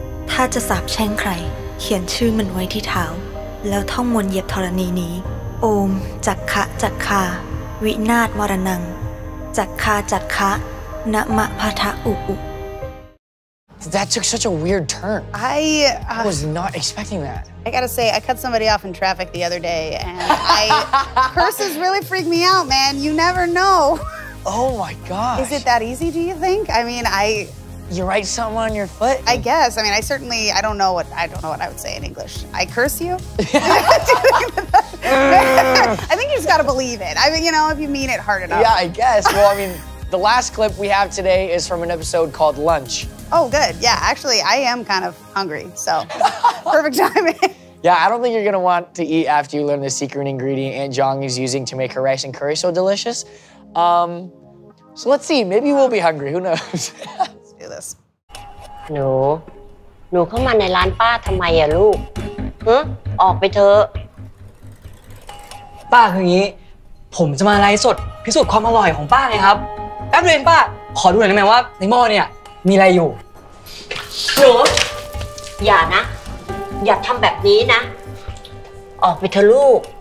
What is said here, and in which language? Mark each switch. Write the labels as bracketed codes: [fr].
[th] ถ้าจะสาปแช่งใครเขียนชื่อมันไว้ที่เท้าแล้วท่องมนต์เหยียบธรณีนี้โอมจักขะจักขาวินาศวรนังจักขาจักขะนะมะพะทะอุอุ [en] That took such a weird turn. I was not expecting that. I gotta say, I cut somebody off in traffic the other day and curses really freak me out, man. You never know. Oh my gosh. Is it that easy, do you think? You write something on your foot? I guess. I mean, I don't know what I would say in English. I curse you? I think you just gotta believe it. I mean, you know, if you mean it hard enough. Yeah, I guess. Well, I mean, the last clip we have today is from an episode called Lunch. Oh, good. Yeah, actually, I am kind of hungry, so perfect timing. Yeah, I don't think you're gonna want to eat after you learn the secret ingredient Aunt Jong is using to make her rice and curry so delicious. So let's see, maybe we'll be hungry, who knows? [th] หนูเข้ามาในร้านป้าทำไมอ่ะลูกฮึออกไปเถอะ ป้าคืองี้ผมจะมาไลฟ์สดพิสูจน์ความอร่อยของป้าไงครับแป๊บนึงป้าขอดูหน่อยได้มั้ยว่าในหม้อเนี่ยมีอะไรอยู่หนูอย่านะอย่าทำแบบนี้นะออกไปเถอะลูก